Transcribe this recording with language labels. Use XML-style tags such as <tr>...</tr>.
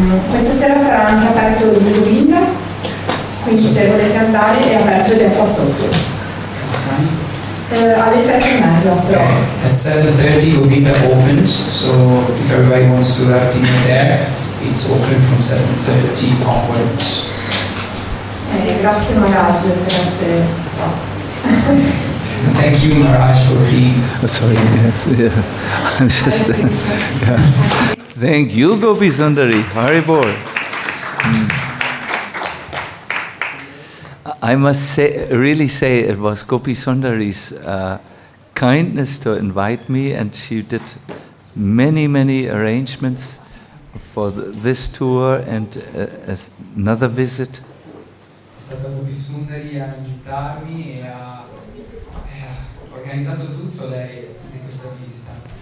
<it>Questa sera sarà anche aperto il giardino, quindi se volete andare è aperto ed è qua sotto. Alle 7:30 però.</it> <en>Okay. At 7:30 Govinda opens, so if everybody wants to have dinner there, it's open from 7:30 onwards.</en> <it>Grazie Maharaj per essere.</it> <en>Thank you Maharaj for being. Oh, sorry, yeah. I'm just yeah. Thank you, Gopi Sundari. Hari Bol. I must really say it was Gopi Sundari's kindness to invite me, and she did many, many arrangements for this tour and another visit.</en> <it>stata Gopi Sundari a invitarmi e ha organizzato tutto lei di questa visita.</it>